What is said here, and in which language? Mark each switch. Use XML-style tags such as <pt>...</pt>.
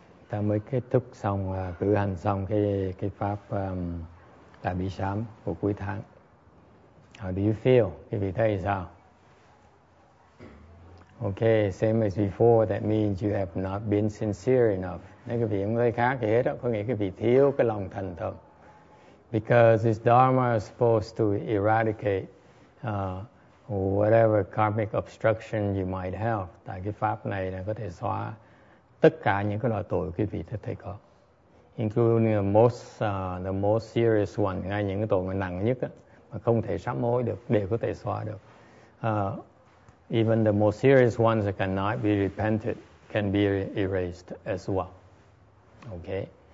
<vi>Ta mới kết thúc xong, cử hành xong cái pháp Tabe Chan của cuối tháng.</vi> <en>How do you feel?</en> <vi>Kakivi thấy sao?</vi> <en>Okay, same as before, that means you have not been sincere enough.</en> <vi>Nếu các vị không thấy khác gì hết, có nghĩa các vị thiếu cái lòng thành thật.</vi> <en>Because this dharma is supposed to eradicate whatever karmic obstruction you might have.</en> <vi>Tại cái pháp này là có thể xóa tất cả những cái loại tội quý vị thật thể có.</vi> <en>Including the most serious one,</en> <vi>ngay những cái tội nặng nhất mà không thể sám hối được, đều có thể xóa được.</vi> <en>Even the most serious ones that cannot be repented can be erased as well. Okay?</en>